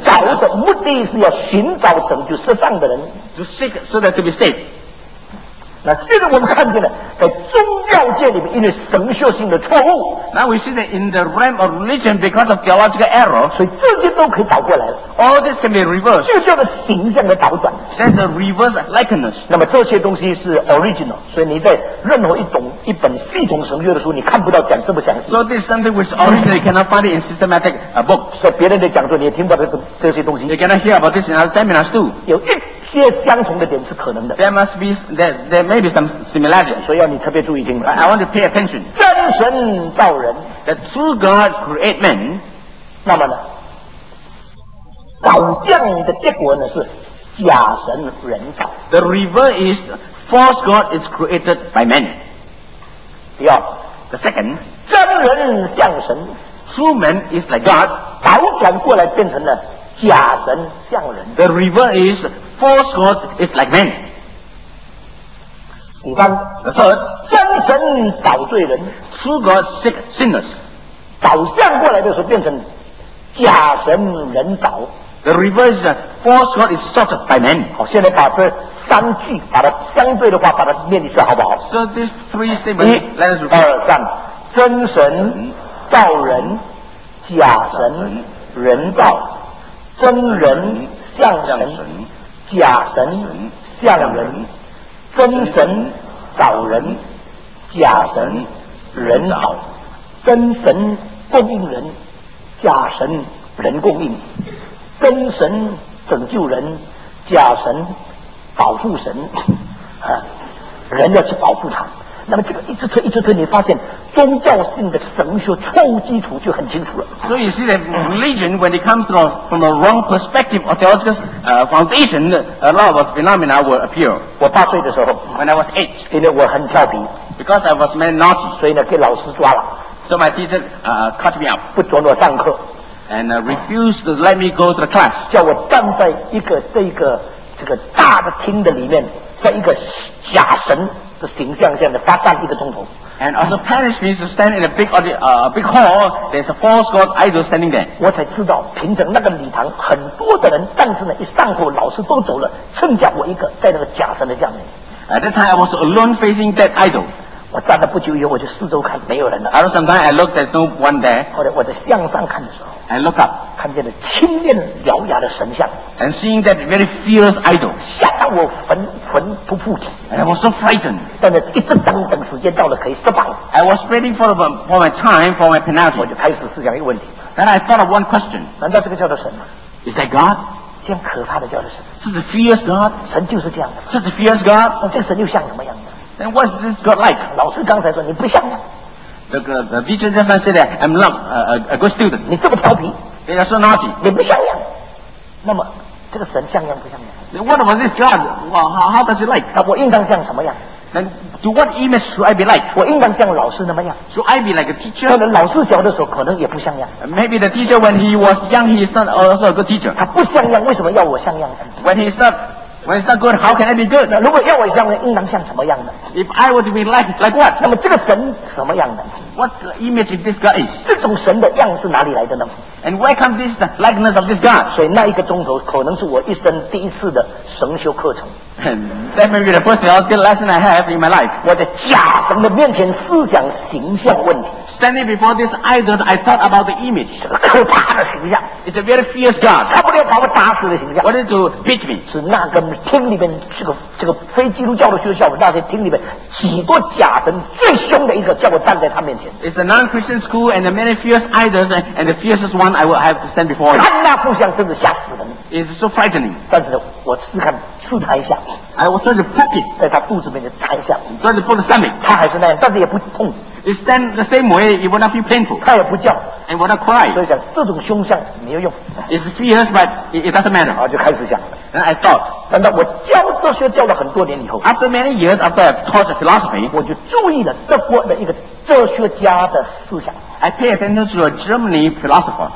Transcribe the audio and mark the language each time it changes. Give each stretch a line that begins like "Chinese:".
Chinese: 找的目的是要寻找拯救世上的人。
English: To seek so that to be saved.
Chinese: 那现在我们看见了，在宗教界里面，因为神学性的错误。
English: Now we see that in the realm of religion, because of theological error,
Chinese: 所以这些都可以倒过来了。
English: All this can be reversed.
Chinese: 就叫做形象的倒转。
English: That's a reverse likeness.
Chinese: 那么这些东西是 original, 所以你在任何一本系统神学的书，你看不到讲这么详细。
English: So this is something which originally cannot find in systematic books.
Chinese: 所以别人的讲座你也听不到这些东西。
English: You cannot hear about this in other seminars too.
Chinese: 有一些相同的点是可能的。
English: There must be there maybe some similarity.
Chinese: 所以要你特别注意听。
English: I want to pay attention.
Chinese: 真神造人。
English: The true God create man.
Chinese: 那么呢，倒降的结果呢是假神人造。
English: The reverse is false God is created by man.
Chinese: 第二。
English: The second.
Chinese: 真人像神。
English: True man is like God.
Chinese: 倒转过来变成了假神像人。
English: The reverse is false God is like man.
Chinese: 第三，真神找罪人
English: ，True God seek sinners，
Chinese: 导向过来的时候变成假神人找。
English: The reverse, false God is sought by man。
Chinese: 好，现在把这三句把它相对的话把它念一下，好不好
English: ？So these three statements，
Chinese: 一、二、三，真神造人，假神人造，真人像神，假神像人。真神找人，假神人找；真神供应人，假神人供应；真神拯救人，假神保护神。啊，人要去保护他。那么这个一直推，一直推，你发现宗教性的神学错误基础就很清楚了。
English: So you see that religion, when it comes from a wrong perspective or theological foundation, a lot of phenomena will appear.
Chinese: 我八岁的时候
English: ，when I was eight,
Chinese: 因为我很调皮
English: ，because I was very naughty,
Chinese: 所以呢给老师抓了。
English: So my teacher caught me up,
Chinese: 不准我上课
English: ，and refused to let me go to the class.
Chinese: 叫我站在这个大的厅的里面，在一个假神。形象这样的发站一个钟头
English: and also punished me to stand in a big hall there's a false god idol standing there
Chinese: 我才知道平常那个礼堂很多的人但是呢一上课老师都走了剩下我一个在那个假神的下面
English: at that time I was alone facing that idol
Chinese: 我站了不久以后我就四周看没有人了
English: after some time I looked there's no one there
Chinese: 后来我在向上看的时候
English: I look up
Chinese: 看见了青面獠牙的神像
English: and seeing that very fierce idol
Chinese: 吓到我魂不附体
English: and I was so frightened
Chinese: 但是一直等时间到了可以释放。
English: I was waiting for my time for my penalty。
Chinese: 我就开始思想一个问题。
English: Then I thought of one question。
Chinese: 难道这个叫做神吗
English: ？Is that God？
Chinese: 这样可怕的叫做神。
English: Such a fierce God。
Chinese: 神就是这样的。
English: Such a fierce God。
Chinese: 那这个神又像什么样的
English: ？Then what is this God like？
Chinese: 老师刚才说你不像啊。
English: The teacher just now said that I'm not a good student。
Chinese: 你这么调皮。
English: They are so naughty。
Chinese: 你不像样。那么这个神像样不像样
English: ？Then what about this God？ Well, how does he like？
Chinese: 那我应当像什么样？
English: Then, to what image should I be like?
Chinese: 我应当像老师那么样。
English: Should I be like a teacher?
Chinese: 可能老师小的时候可能也不像样。
English: Maybe the teacher when he was young, he is not also a good teacher.
Chinese: 他不像样，为什么要我像样呢
English: When he's not good, how can I be good?
Chinese: 如果要我像样，应当像什么样的
English: ？If I were to be like what?
Chinese: 那么这个神什么样的
English: ？What image this God is?
Chinese: 这种神的样是哪里来的呢
English: ？And where comes this likeness of this God?
Chinese: 所以那一个钟头可能是我一生第一次的神修课程。
English: And that may be the first theological lesson I have in my life.
Chinese: 我在假神的面前思想形象问题。
English: Standing before this idol, I thought about the image.
Chinese: 这个可怕的形象。
English: It's a very fierce God.
Chinese: 他不能把我打死的形象。
English: Wanted to beat me.
Chinese: 是那个厅里面这个非基督教的学校，那些厅里面几多假神最凶的一个，叫我站在他面前。
English: It's a non-Christian school and the many fierce idols and the fiercest one I will have to stand before.
Chinese: 看那塑像真的吓死人。
English: Is so frightening.
Chinese: 但是呢，我试看刺他一下。
English: I was trying to poke it,
Chinese: 在他肚子里面擦一下。
English: Trying to poke the stomach.
Chinese: 他还是那样，但是也不痛。
English: It stand the same way, it will not feel painful.
Chinese: 他也不叫。
English: And will not cry.
Chinese: 所以讲这种凶相没有用。
English: It's fierce, but it doesn't matter.
Chinese: 啊，就开始想。
English: And I thought.
Chinese: 等到我教哲学教了很多年以后
English: ，After many years after I've taught philosophy,
Chinese: 我就注意了德国的一个哲学家的思想。
English: I pay attention to a German philosopher.